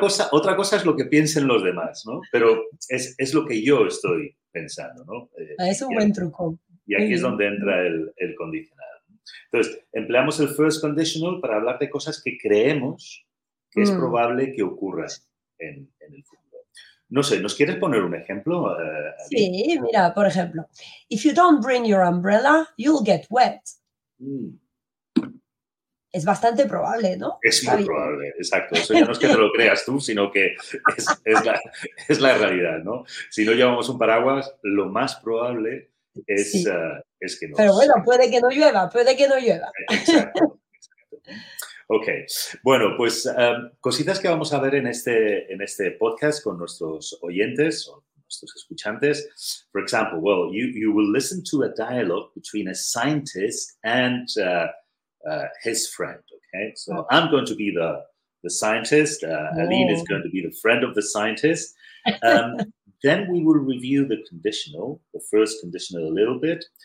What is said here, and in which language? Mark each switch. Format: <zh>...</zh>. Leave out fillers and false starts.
<es>Otra cosa es lo que piensen los demás, ¿no? Pero es lo que yo estoy pensando, ¿no? Es un buen truco. Y aquí es donde entra el condicional. Entonces, empleamos el first conditional para hablar de cosas que creemos que es probable que ocurran en el futuro. No sé, ¿nos quieres poner un ejemplo? Sí, mira, por ejemplo.</es> <en>If you don't bring your umbrella, you'll get wet.</en> <es>Es bastante probable, ¿no? Es muy probable, exacto. Eso ya no es que te lo creas tú, sino que es la realidad, ¿no? Si no llevamos un paraguas, lo más probable es que no. Pero bueno, puede que no llueva, puede que no llueva. Exacto. Ok. Bueno, pues cositas que vamos a ver en este podcast con nuestros oyentes o nuestros escuchantes.</es> <en>For example, well, you will listen to a dialogue between a scientist and his friend, okay? So I'm going to be the scientist. Aline is going to be the friend of the scientist. Then we will review the conditional, the first conditional a little bit.</en>